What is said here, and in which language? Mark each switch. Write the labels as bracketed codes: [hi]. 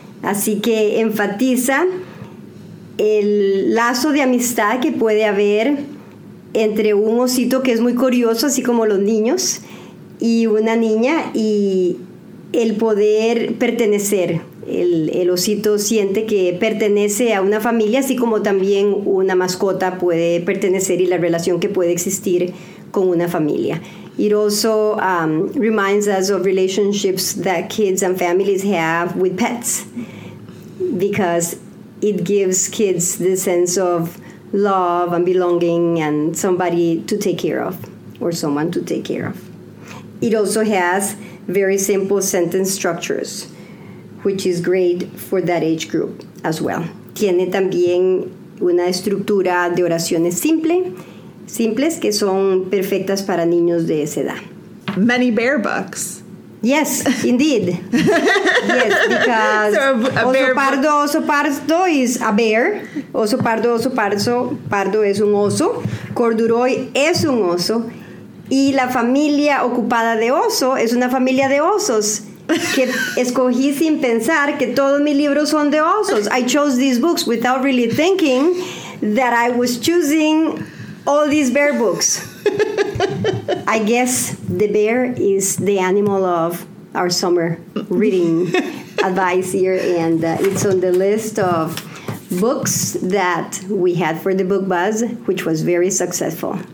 [es] Así que enfatiza el lazo de amistad que puede haber entre un osito que es muy curioso, así como los niños, y una niña, y el poder pertenecer. El osito siente que pertenece a una familia, así como también una mascota puede pertenecer y la relación que puede existir con una familia. [en] It also reminds us of relationships that kids and families have with pets, because it gives kids the sense of love and belonging and somebody to take care of, or someone to take care of. It also has very simple sentence structures, which is great for that age group as well. [es] Tiene también una estructura de oraciones simples que son perfectas para niños de esa edad. [en] Many bear books. Yes, indeed. Yes, because so oso pardo is a bear. [es] Oso pardo es un oso. Corduroy es un oso. Y la familia ocupada de oso es una familia de osos. Que escogí sin pensar que todos mis libros son de osos. [en] I chose these books without really thinking that I was choosing all these bear books. I guess the bear is the animal of our summer reading advice here, and it's on the list of books that we had for the Book Buzz, which was very successful.